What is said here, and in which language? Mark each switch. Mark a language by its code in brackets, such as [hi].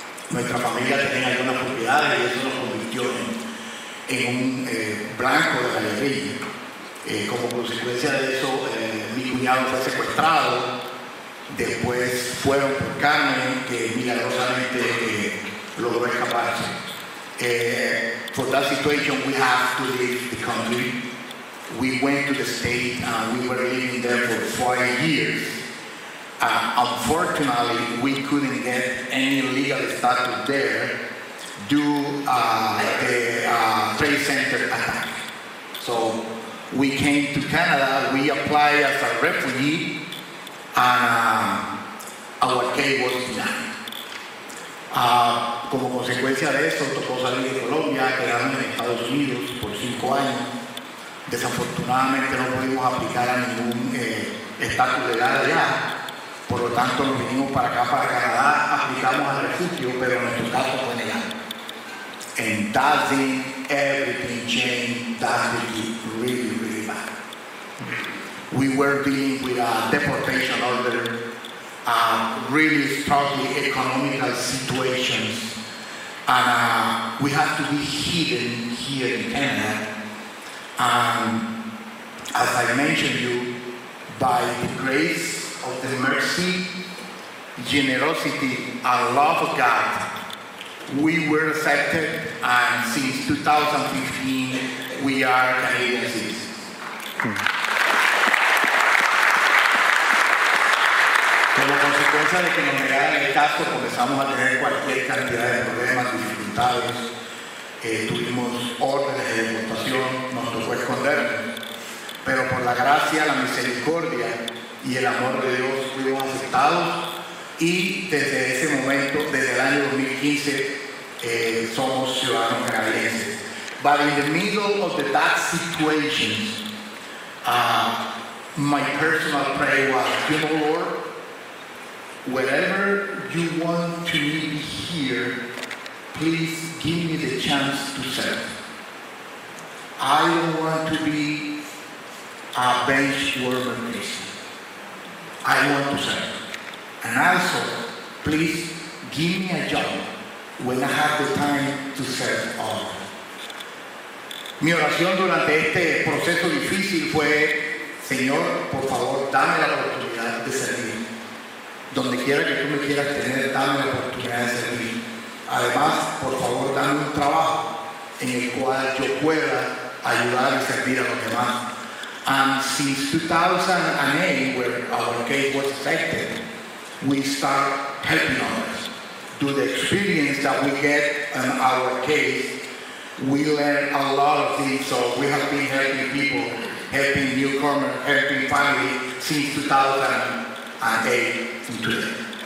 [es] Nuestra familia tenía algunas propiedades y eso nos convirtió en un blanco de la ley. Como consecuencia de eso, mi cuñado fue secuestrado. Después fueron por Carmen, que milagrosamente logró escaparse. [en] For that situation, we have to leave the country. We went to the state, and we were living there for 5 years. Unfortunately, we couldn't get any legal status there Trade Center attack. So we came to Canada, we applied as a refugee, and our case was denied. [es] Como consecuencia de eso, tocó salir de Colombia, quedarme en Estados Unidos por 5 años. Desafortunadamente no pudimos aplicar a ningún estatus legal allá. Por lo tanto, nos vinimos para acá, para Canadá, aplicamos al refugio, pero nuestro caso fue negado. [en] And that thing, everything changed, that thing really, really bad. We were dealing with a deportation order, really struggling economical situations, and we had to be hidden here in Canada. As I mentioned to you, by the grace of the mercy, generosity, and love of God, we were accepted, and since 2015, we are Canadian citizens. [es] Como consecuencia de que nos negaran el caso, comenzamos a tener cualquier cantidad de problemas, dificultades. Tuvimos órdenes de deportación, nos tocó escondernos. Pero por la gracia, la misericordia y el amor de Dios, fuimos aceptados. Y desde ese momento, desde el año 2015, somos ciudadanos canadienses. [en] But in the middle of the bad situations, my personal prayer was, you know, Lord, wherever you want to meet me here, please give me the chance to serve. I don't want to be a bench warmer person. I want to serve. And also, please give me a job when I have the time to serve others. [es] Mi oración durante este proceso difícil fue, Señor, por favor, dame la oportunidad de servir. Donde quiera que tú me quieras tener, dame la oportunidad de servir. Además, por favor, dame un trabajo en el cual yo pueda ayudar y servir a los demás. [en] And since 2008, where our case was affected, we start helping others. Through the experience that we get in our case, we learn a lot of things. So we have been helping people, helping newcomers, helping families since 2008 and today.